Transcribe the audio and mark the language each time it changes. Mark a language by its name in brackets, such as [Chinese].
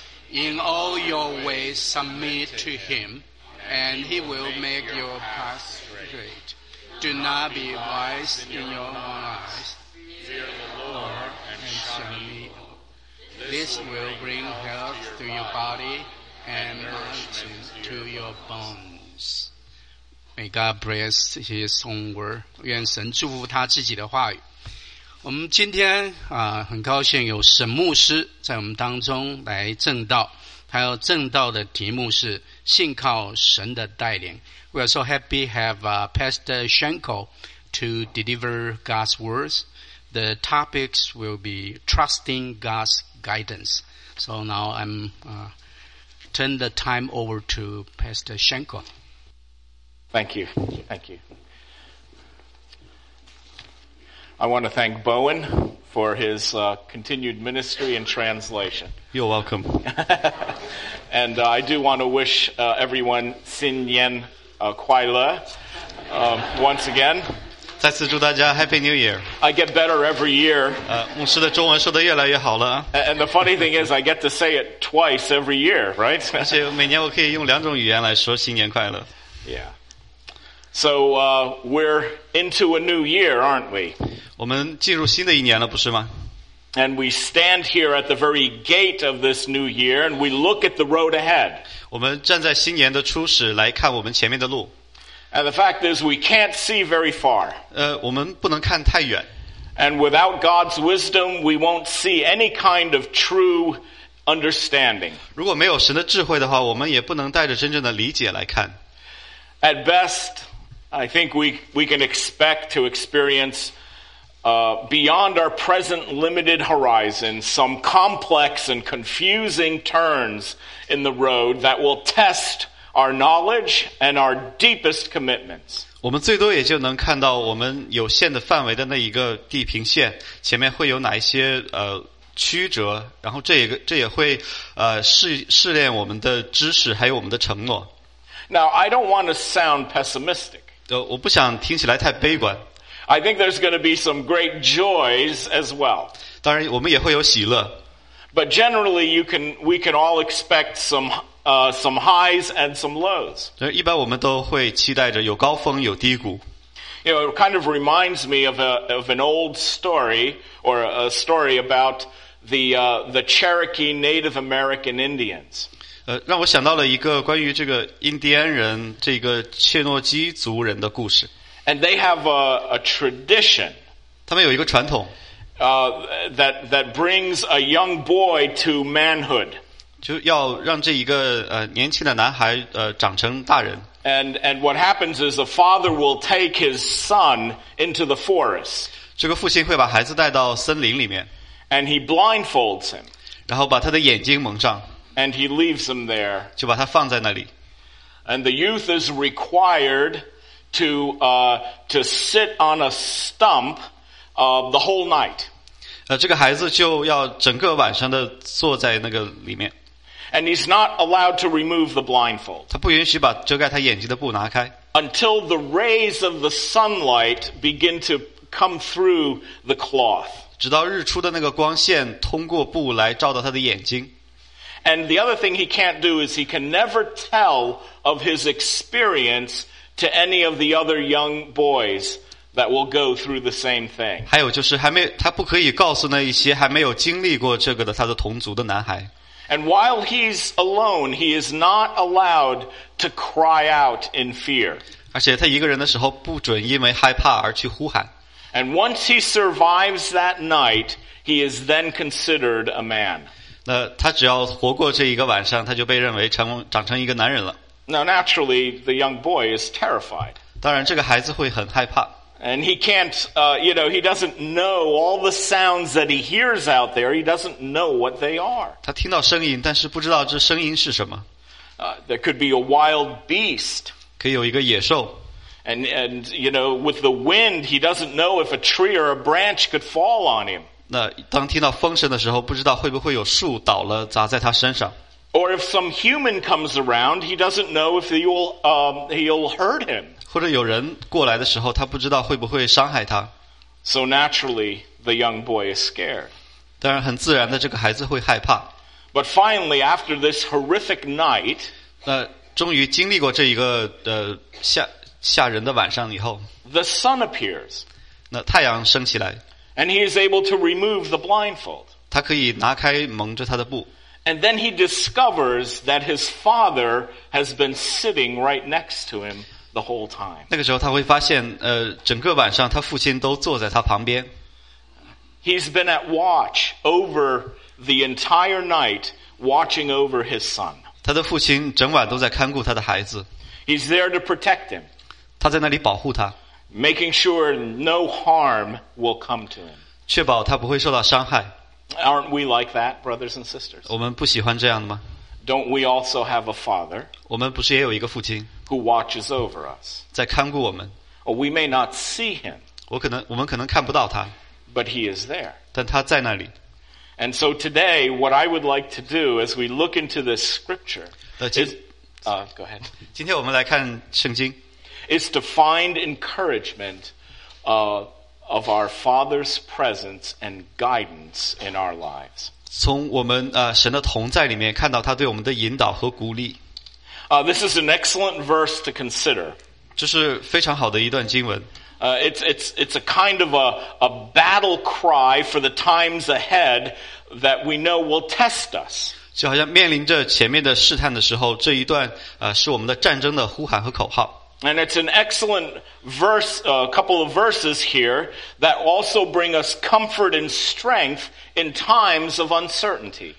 [English] In all your ways submit to Him, and He will make your path straight. Do not be wise in your own eyes. Fear the Lord and shun evil. This will bring health to your body and nourishment to your bones. May God bless His own word. [Chinese] 愿神祝福他自己的话语。我们今天啊，很高兴有沈牧师在我们当中来证道。他要证道的题目是信靠神的带领。 [English] We are so happy to have Pastor Shenko to deliver God's words. The topics will be trusting God's guidance. So now I'm turn the time over to Pastor Shenko. Thank you. Thank you. I want to thank Bowen for his continued ministry and translation. You're welcome. And I do want to wish everyone [Chinese] 新年快乐 [English] once again. [Chinese] 再次祝大家 [English] Happy New Year. I get better every year. [Chinese] 牧师的中文说得越来越好了。 [English] And the funny thing is, I get to say it twice every year, right? [Chinese] 而且每年我可以用两种语言来说新年快乐。 [English] Yeah. So we're into a new year, aren't we? [Chinese] 我们进入新的一年了，不是吗？ [English] And we stand here at the very gate of this new year, and we look at the road ahead. [Chinese] 我们站在新年的初始来看我们前面的路。 [English] And the fact is, we can't see very far. [Chinese] 我们不能看太远。 [English] And without God's wisdom, we won't see any kind of true understanding. [Chinese] 如果没有神的智慧的话，我们也不能带着真正的理解来看。 [English] At best, I think we can expect to experience beyond our present limited horizon, some complex and confusing turns in the road that will test our knowledge and our deepest commitments. [Chinese] 我们最多也就能看到我们有限的范围的那一个地平线，前面会有哪一些曲折，然后这也会试炼我们的知识，还有我们的承诺。 [English] Now, I don't want to sound pessimistic. [Chinese] 我不想听起来太悲观。 [English] I think there's going to be some great joys as well. [Chinese] 当然我们也会有喜乐。 [English] But generally, we can all expect some highs and some lows. [Chinese] 一般我们都会期待着有高峰有低谷。 [English] You know, it kind of reminds me of an old story, or a story about the Cherokee Native American Indians. [Chinese] 让我想到了一个关于这个印第安人，这个切诺基族人的故事。 [English] And they have a tradition. [Chinese] 他们有一个传统。 [English] That brings a young boy to manhood. [Chinese] 就要让这一个年轻的男孩长成大人。 [English] And what happens is the father will take his son into the forest. [Chinese] 这个父亲会把孩子带到森林里面。 [English] And he blindfolds him. [Chinese] 然后把他的眼睛蒙上。 [English] And he leaves him there. [Chinese] 就把他放在那里。 [English] And the youth is required to sit on a stump the whole night. [Chinese] 这个孩子就要整个晚上的坐在那个里面。 [English] And he's not allowed to remove the blindfold. [Chinese] 他不允许把遮盖他眼睛的布拿开。 [English] Until the rays of the sunlight begin to come through the cloth. [Chinese] 直到日出的那个光线通过布来照到他的眼睛。 [English] And the other thing he can't do is he can never tell of his experience to any of the other young boys that will go through the same thing. [Chinese] 还有就是还没他不可以告诉那一些还没有经历过这个的他的同族的男孩。 [English] And while he's alone, he is not allowed to cry out in fear. [Chinese] 而且他一个人的时候不准因为害怕而去呼喊。 [English] And once he survives that night, he is then considered a man. [Chinese] 那他只要活过这一个晚上，他就被认为长成一个男人了。 [English] Now naturally, the young boy is terrified. [Chinese] 当然，这个孩子会很害怕。 [English] And he can't, he doesn't know all the sounds that he hears out there. He doesn't know what they are. [Chinese] 他听到声音，但是不知道这声音是什么。 [English] There could be a wild beast. [Chinese] 可以有一个野兽。 [English] And, you know, with the wind, he doesn't know if a tree or a branch could fall on him. [Chinese] 那当听到风声的时候，不知道会不会有树倒了砸在他身上。 [English] Or if some human comes around, he doesn't know if he'll hurt him. [Chinese] 或者有人过来的时候，他不知道会不会伤害他。 [English] So naturally, the young boy is scared. [Chinese] 当然，很自然的，这个孩子会害怕。 [English] But finally, after this horrific night, [Chinese] 那终于经历过这一个吓人的晚上以后， [English] the sun appears. [Chinese] 那太阳升起来， [English] and he is able to remove the blindfold. [Chinese] 他可以拿开蒙着他的布。 [English] And then he discovers that his father has been sitting right next to him the whole time. [Chinese] 那个时候他会发现，整个晚上他父亲都坐在他旁边。 [English] He's been at watch over the entire night, watching over his son. [Chinese] 他的父亲整晚都在看顾他的孩子。 [English] He's there to protect him. [Chinese] 他在那里保护他。 [English] Making sure no harm will come to him. [Chinese] 确保他不会受到伤害。 [English] Aren't we like that, brothers and sisters? [Chinese] 我们不喜欢这样的吗？ [English] Don't we also have a father? [Chinese] 我们不是也有一个父亲？ [English] Who watches over us? [Chinese] 在看顾我们。 [English] Or we may not see him. [Chinese] 我们可能看不到他。 [English] But he is there. [Chinese] 但他在那里。 [English] And so today, what I would like to do as we look into this scripture is, go ahead. [Chinese] 今天我们来看圣经。 [English] Is to find encouragement, of our Father's presence and guidance in our lives. [Chinese] 从我们神的同在里面看到他对我们的引导和鼓励。 [English] This is an excellent verse to consider. [Chinese] 这是非常好的一段经文。 [English] It's a kind of a battle cry for the times ahead that we know will test us. [Chinese] 就好像面临着前面的试探的时候，这一段是我们的战争的呼喊和口号。 [English] And it's an excellent verse, a couple of verses here that also bring us comfort and strength in times of uncertainty.